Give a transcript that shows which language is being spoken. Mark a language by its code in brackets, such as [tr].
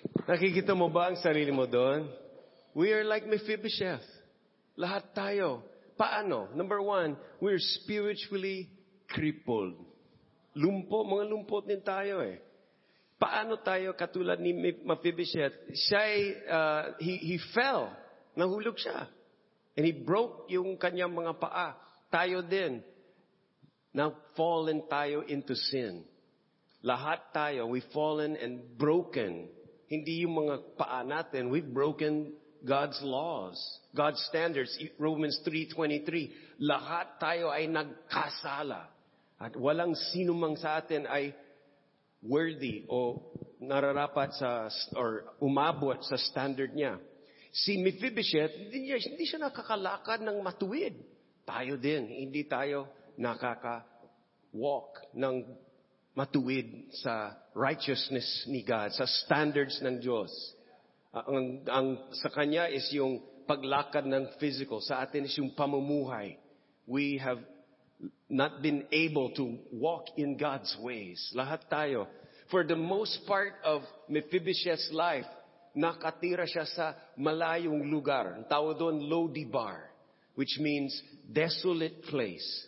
[tl] Nakikita mo ba ang sarili mo doon? [en] We are like Mephibosheth. [tl] Lahat tayo. Paano? [en] Number one, we're spiritually crippled. [tl] Lumpo, mga lumpo din tayo eh. Paano tayo katulad ni Mephibosheth? [en] He fell. [tl] Nahulog siya. [en] And he broke [tl] yung kanyang mga paa. Tayo din. [en] Now fallen tayo into sin. [tl] Lahat tayo, [en] we've fallen and broken. [tl] Hindi yung mga paa natin. [en] We've broken God's laws, God's standards. Romans 3:23. [tl] Lahat tayo ay nagkasala. At walang sino mang sa atin ay worthy o nararapat sa, or umabot sa standard niya. Si Mephibosheth, hindi siya nakakalakad ng matuwid. Tayo din. Hindi tayo nakaka-walk ng matuwid sa righteousness ni God, sa standards ng Diyos. Ang sa kanya is yung paglakad ng physical. Sa atin is yung pamumuhay. [en] We have not been able to walk in God's ways. [tl] Lahat tayo. [en] For the most part of Mephibosheth's life, [tl] nakatira siya sa malayong lugar. Ang tawag doon, [en] Lodibar, which means desolate place.